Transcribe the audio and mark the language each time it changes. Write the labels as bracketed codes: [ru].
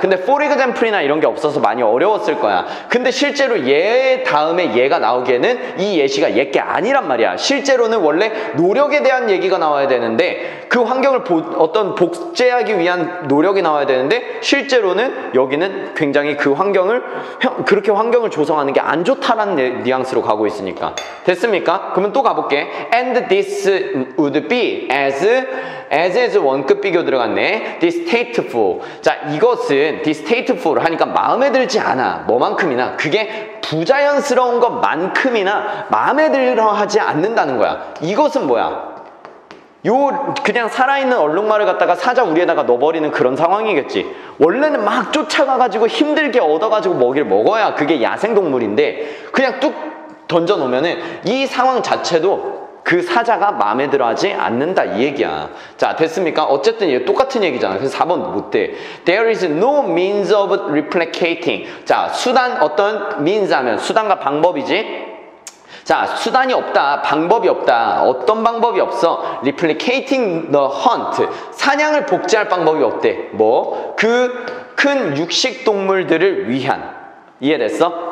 [ko] 근데 [en] for example [ko] 이나 이런 게 없어서 많이 어려웠을 거야. 근데 실제로 얘 다음에 얘가 나오기에는 이 예시가 얘게 아니란 말이야. 실제로는 원래 노력에 대한 얘기가 나와야 되는데 그 환경을 어떤 복제하기 위한 노력이 나와야 되는데 실제로는 여기는 굉장히 그 환경을 그렇게 환경을 조성하는 게 안 좋다라는 뉘앙스로 가고 있으니까. 됐습니까? 그러면 또 가볼게. [en] And this would be as [ko] 원급 비교 들어갔네. [en] distasteful. [ko] 자, 이것은 distasteful 하니까 마음에 들지 않아. 뭐만큼이나 그게 부자연스러운 것만큼이나 마음에 들어 하지 않는다는 거야. 이것은 뭐야? 요 그냥 살아있는 얼룩말을 갖다가 사자 우리에다가 넣어버리는 그런 상황이겠지. 원래는 막 쫓아가가지고 힘들게 얻어가지고 먹이를 먹어야 그게 야생동물인데 그냥 뚝 던져놓으면은 이 상황 자체도 그 사자가 마음에 들어 하지 않는다 이 얘기야. 자, 됐습니까? 어쨌든 얘 똑같은 얘기잖아. 그래서 4번 못돼. [en] There is no means of replicating. [ko] 자, 수단 어떤 means 하면 수단과 방법이지. 자, 수단이 없다. 방법이 없다. 어떤 방법이 없어? [en] Replicating the hunt. [ko] 사냥을 복제할 방법이 없대. 뭐? 그 큰 육식동물들을 위한. 이해됐어?